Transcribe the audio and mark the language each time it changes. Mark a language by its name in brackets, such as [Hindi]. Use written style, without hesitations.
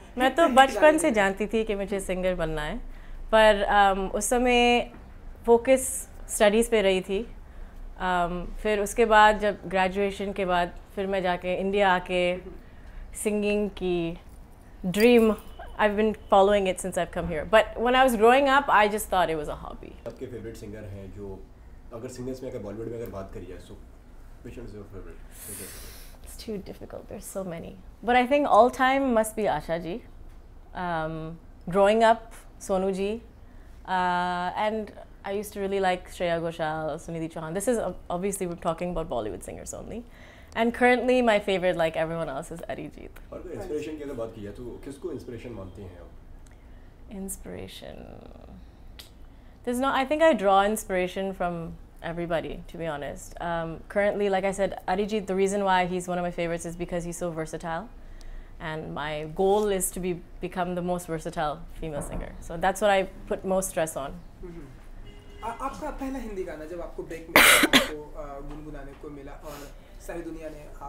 [Hindi] मैं तो बचपन से जानती थी कि मुझे सिंगर बनना है, पर उस समय फोकस स्टडीज़ पे रही थी. फिर उसके बाद जब ग्रेजुएशन के बाद फिर मैं जाके इंडिया आके सिंगिंग की dream [English] I've been following it since I've come here. But when I was growing up, I just thought it was a hobby. [Hindi] आपके favorite singer हैं जो, अगर singers में, अगर Bollywood में अगर बात करी जाए, [English] so which one is your favorite? It's too difficult. There's so many. But I think all time must be Asha ji. Growing up, Sonu ji. And I used to really like Shreya Ghoshal, Sunidhi Chauhan. This is obviously we're talking about Bollywood singers only. And currently, my favorite, like everyone else, is Arijit. [Hindi] और तो inspiration के अगर बात की जाए तो किसको inspiration मानते हैं आप? [English] Inspiration, there's no. I think I draw inspiration from everybody, to be honest. Currently, like I said, Arijit. The reason why he's one of my favorites is because he's so versatile, and my goal is to become the most versatile female singer. So that's what I put most stress on. [Hindi] आपका पहला हिंदी गाना जब आपको break में आपको गुनगुनाने को मिला और